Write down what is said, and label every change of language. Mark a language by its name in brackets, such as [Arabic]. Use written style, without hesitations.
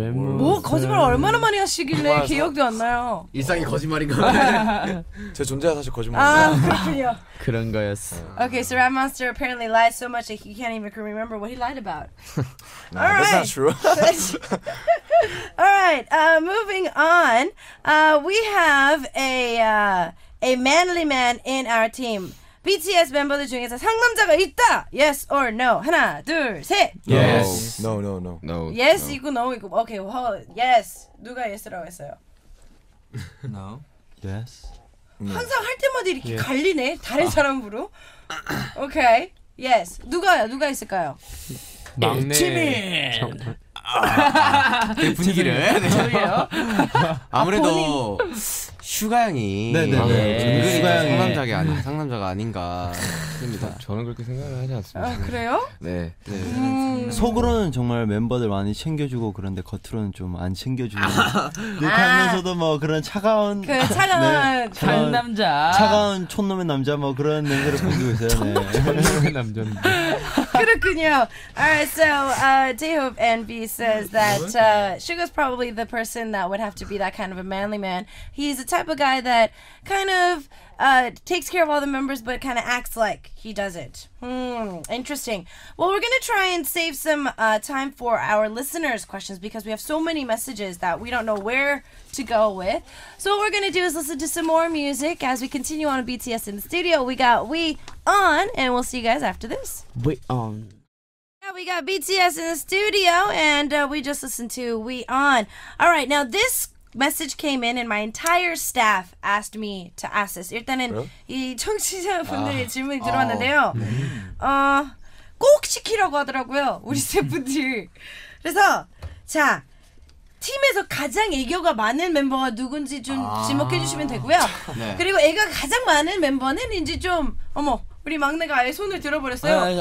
[Korean] 뭐 거짓말 얼마나 많이 하시길래 기억도 안 나요. 일상이 거짓말인가? 제 존재가 사실 거짓말인가? 아 그렇군요. 그런 거였어. [English] Okay, so Rat Monster apparently lied so much that he can't even remember what he lied about. Nah, all right. That's not true. All right. Moving on. We have a manly man in our team. [Korean] BTS 멤버들 중에서 상남자가 있다. [English] Yes or no. [Korean] 하나, 둘, 셋. [English] Yes. No, no, no. No. Yes, no. [Korean] 이거 너무 이거. [English] Okay. Well, yes. [Korean] 누가 yes라고 했어요? [English] No. Yes. [Korean] 항상 할 때마다 이렇게 yes. 갈리네. 다른 사람으로. [English] Okay. Yes. [Korean] 누가 있을까요? 막내. 치민. 아, 분위기를. 저기요. 아무래도 슈가양이 은근히 상남자가 아닌 상남자가 아닌가 싶습니다. 저는 그렇게 생각을 하지 않습니다. 아, 그래요? 네. 네. 속으로는 정말 멤버들 많이 챙겨주고 그런데 겉으로는 좀 안 챙겨주는 욕하면서도 뭐 그런 차가운 그 차가운 상남자 네, 차가운 촌놈의 남자 뭐 그런 냄새를 풍기고 있어요. 촌놈의 네. 남자인데. 그렇군요. [English] Alright, so J-Hope and B says that Suga's probably the person that would have to be that kind of a manly man. He's the type of guy that kind of takes care of all the members but kind of acts like he doesn't. Interesting. Well, we're going to try and save some time for our listeners' questions because we have so many messages that we don't know where to go with. So what we're going to do is listen to some more music as we continue on BTS in the studio. We got We On, and we'll see you guys after this. We On. Yeah, we got BTS in the studio, and we just listened to We On. All right, now this message came in and my entire staff asked me to ask this. [Korean] 일단은 really? 이 청취자분들이 질문이 들어왔는데요. 꼭 시키라고 하더라고요. 우리 스태프들. 그래서 자, 팀에서 가장 애교가 많은 멤버가 누군지 좀 지목해 주시면 되고요. 네. 그리고 애가 가장 많은 멤버는 이제 좀 어머 우리 막내가 아예 손을 들어버렸어요.